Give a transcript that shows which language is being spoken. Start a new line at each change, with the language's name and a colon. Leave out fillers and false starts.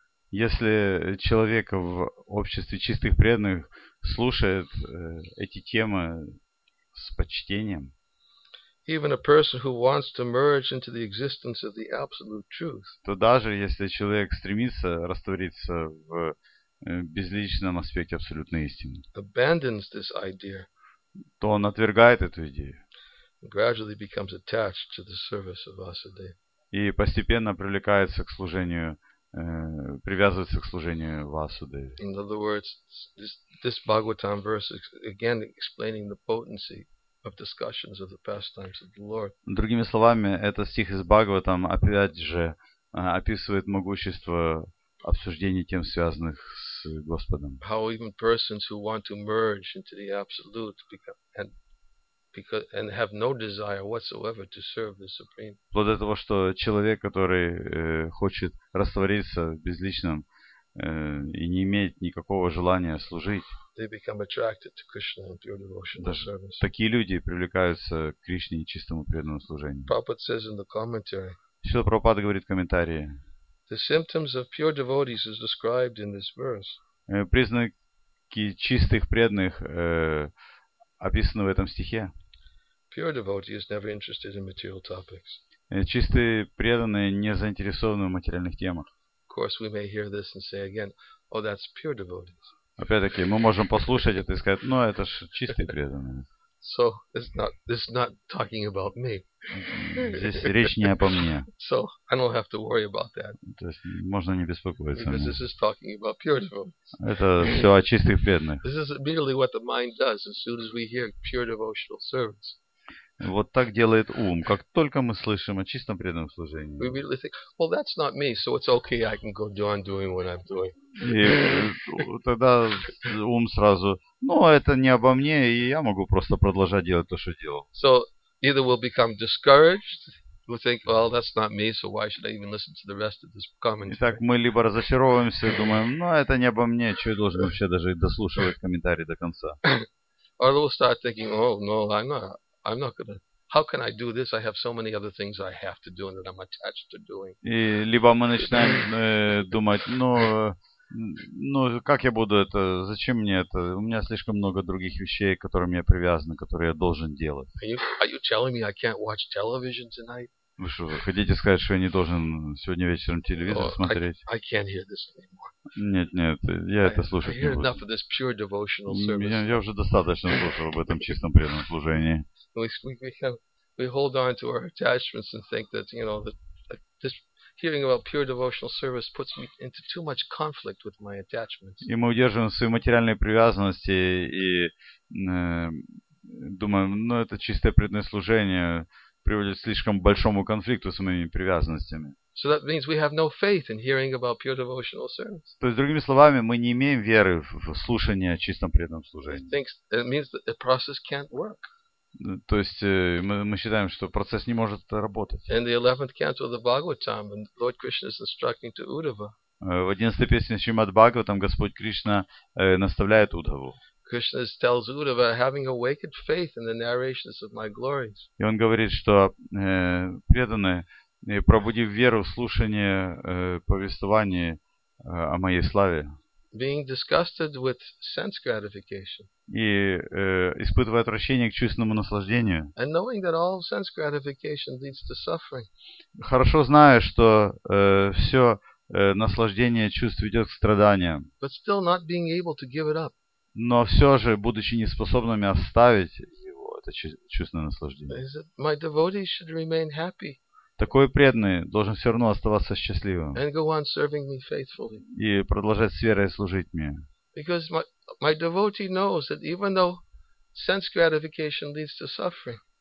Russian: Если человек в обществе чистых преданных слушает эти темы с почтением.
English: Even a person who wants to merge into the existence of the absolute truth.
Russian: То даже если человек стремится раствориться в безличном аспекте абсолютной истины.
English: Abandons this idea.
Russian: То он отвергает эту идею.
English: Gradually becomes attached to the service of Vasudeva.
Russian: И постепенно привлекается к служению, привязывается к служению Васуды.
English: In other words, this Bhagavatam verse is again explaining the potency of discussions of the pastimes of the Lord.
Russian: Другими словами, этот стих из Бхагаватам опять же описывает могущество обсуждений тем, связанных с Господом.
English: How even persons who want to merge into the absolute become and Because, and have no desire whatsoever to serve the Supreme.
Russian: Вплоть до того, что человек, который хочет раствориться в безличном и не имеет никакого желания служить,
English: they become attracted to Krishna and pure devotional service.
Russian: Такие люди привлекаются к Кришне и чистому преданному служению.
English: Prabhupada says in the commentary.
Russian: Шрила Прабхупада говорит в комментарии.
English: The symptoms of pure devotees is described in this verse.
Russian: Признаки чистых преданных описано в этом стихе.
English: Pure devotee is never interested in material topics.
Russian: Чистые преданные не заинтересованы в материальных темах.
English: Of course, we may hear this and say again, "Oh, that's pure devotees."
Russian: Опять-таки, мы можем послушать это и сказать: "Ну, это ж чистые преданные."
English: So it's not talking about me.
Russian: Здесь речь не обо мне.
English: So I don't have to worry about that.
Russian: То есть можно не беспокоиться.
English: Because this is talking about pure devotees.
Russian: Это все о чистых преданных.
English: This is merely what the mind does as soon as we hear pure devotional service.
Russian: Вот так делает ум, как только мы слышим о чистом преданном служении.
English: We immediately think, well, that's not me, so it's okay, I can go on doing what I'm doing.
Russian: И тогда ум сразу, ну, это не обо мне, и я могу просто продолжать делать то, что делал.
English: So, either we'll become discouraged, we'll think, well, that's not me, so why should I even listen to the rest of this commentary?
Russian: Итак, мы либо разочаровываемся, думаем, ну, это не обо мне, чего я должен вообще даже дослушивать комментарий до конца.
English: Or we'll start thinking, oh, no, I'm not gonna. How can I do this? I have so many other things I have to do and that I'm attached to doing.
Russian: И либо мы начинаем думать, ну как я буду это? Зачем мне это? У меня слишком много других вещей, к которым я привязан, которые я должен делать.
English: Are you telling me I can't watch television tonight?
Russian: Вы что, хотите сказать, что я не должен сегодня вечером телевизор смотреть?
English: I can't hear this anymore.
Russian: Нет, я это слушать не буду.
English: I hear enough of this pure devotional service.
Russian: Я уже достаточно слушал об этом чистом преданном служении.
English: We hold on to our attachments and think that, you know, that this hearing about pure devotional service puts me into too much conflict with my attachments.
Russian: И мы удерживаем свои материальные привязанности и думаем, ну это чистое преданное служение приводит к слишком большому конфликту с моими привязанностями.
English: So that means we have no faith in hearing about pure devotional service.
Russian: То есть другими словами, мы не имеем веры в слушание о чистом преданном служении.
English: It means that the process can't work.
Russian: То есть мы считаем, что процесс не может работать.
English: In the 11th canto of the Bhagavatam, Lord Krishna is instructing to Uddhava.
Russian: В 11-й песне Шримад-Бхагаватам Господь Кришна наставляет Удхаву.
English: Krishna tells Uddhava, having awakened faith in the narrations of my glories.
Russian: И он говорит, что преданные, пробудив веру в слушание повествований о моей славе.
English: Being disgusted with sense gratification.
Russian: И испытывая отвращение к чувственному наслаждению.
English: And knowing that all sense gratification leads to suffering.
Russian: Хорошо зная, что все наслаждение чувств ведет к страданиям.
English: But still not being able to give it up.
Russian: Но все же, будучи неспособными оставить его, это чувственное наслаждение.
English: Is it, my devotee should remain happy.
Russian: Такой преданный должен все равно оставаться счастливым.
English: And go on serving me faithfully.
Russian: И продолжать с верой служить мне.
English: Because my devotee knows that even though sense gratification leads to suffering.